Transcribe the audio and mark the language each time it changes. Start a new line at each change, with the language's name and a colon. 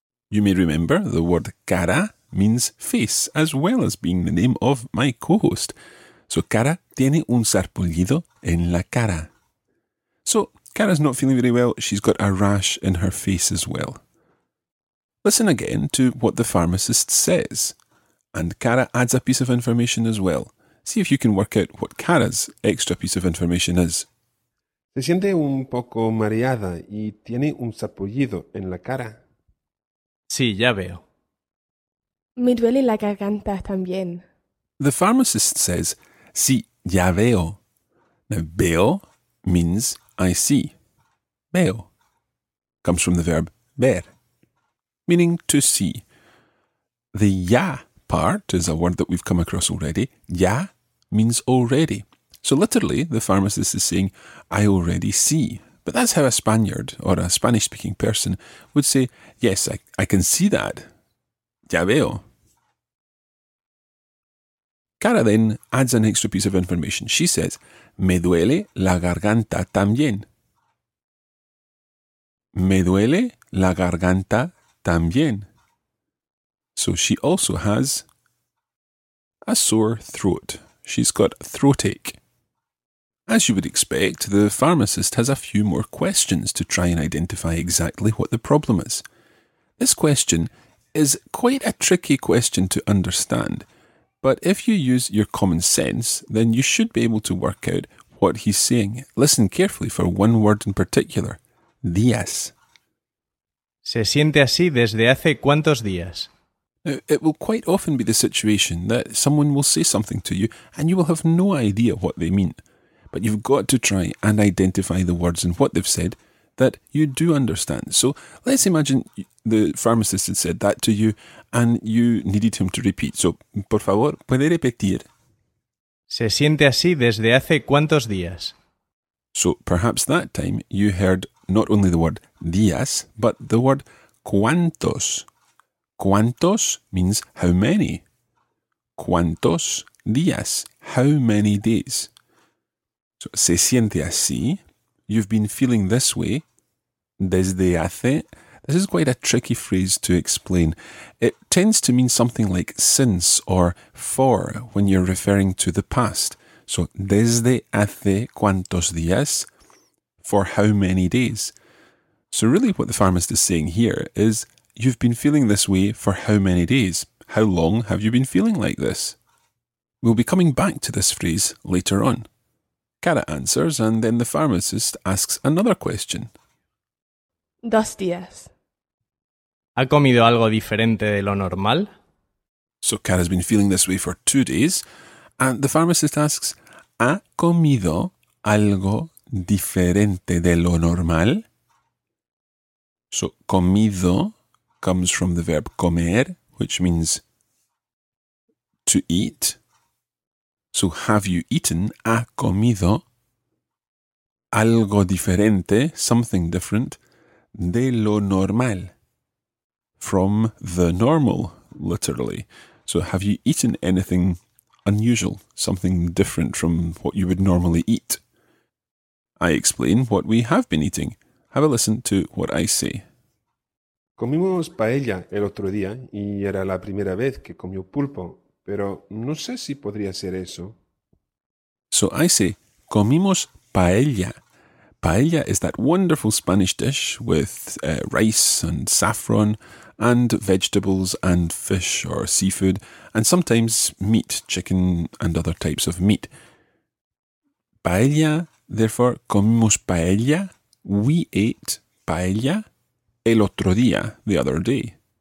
English: You may remember the word cara means face, as well as being the name of my co-host.
Spanish: So Cara tiene un sarpullido en la cara.
English: So Cara's not feeling very well. She's got a rash in her face as well. Listen again to what the pharmacist says. And Cara adds a piece of information as well. See if you can work out what Cara's extra piece of information is.
Spanish: Se siente un poco mareada y tiene un sarpullido en la cara. Sí, ya veo. Me duele la garganta también.
English: The pharmacist says,
Spanish: sí, ya veo.
English: Now, veo means I see. Veo comes from the verb ver, meaning to see. The ya part is a word that we've come across already. Ya means already. So literally, the pharmacist is saying, I already see. But that's how a Spaniard or a Spanish-speaking person would say, yes, I can see that.
Spanish: Ya veo.
English: Cara then adds an extra piece of information. She says,
Spanish: me duele la garganta también. Me duele la garganta también.
English: So she also has a sore throat. She's got throatache. As you would expect, the pharmacist has a few more questions to try and identify exactly what the problem is. This question is quite a tricky question to understand, but if you use your common sense, then you should be able to work out what he's saying. Listen carefully for one word in particular.
Spanish: Días. Se siente así desde hace cuántos días.
English: Now, it will quite often be the situation that someone will say something to you and you will have no idea what they mean. But you've got to try and identify the words and what they've said that you do understand. So let's imagine the pharmacist had said that to you and you needed him to repeat.
Spanish: So, por favor, ¿puede repetir? Se siente así desde hace cuántos días.
English: So perhaps that time you heard not only the word días, but the word cuántos. ¿Cuántos means how many?
Spanish: ¿Cuántos días?
English: How many days? So,
Spanish: se siente así.
English: You've been feeling this way.
Spanish: Desde hace.
English: This is quite a tricky phrase to explain. It tends to mean something like since or for when you're referring to the past. So,
Spanish: desde hace cuántos días?
English: for how many days? So really what the pharmacist is saying here is, you've been feeling this way for how many days? How long have you been feeling like this? We'll be coming back to this phrase later on. Kara answers, and then the pharmacist asks another question.
Spanish: 2 días. ¿Ha comido algo diferente de lo normal?
English: So Kara's been feeling this way for 2 days, and the pharmacist asks,
Spanish: ¿Ha comido algo diferente de lo normal?
English: So comido comes from the verb comer, which means to eat. So have you eaten?
Spanish: ¿Ha comido algo diferente,
English: something different,
Spanish: de lo normal?
English: From the normal, literally. So have you eaten anything unusual, something different from what you would normally eat? I explain what we have been eating. Have a listen to what I say.
Spanish: Comimos paella el otro día y era la primera vez que comí pulpo, pero no sé si podría ser eso.
English: So I say,
Spanish: comimos paella.
English: Paella is that wonderful Spanish dish with rice and saffron and vegetables and fish or seafood and sometimes meat, chicken and other types of meat. Paella, therefore,
Spanish: comimos paella.
English: We ate paella
Spanish: el otro día,
English: the other day.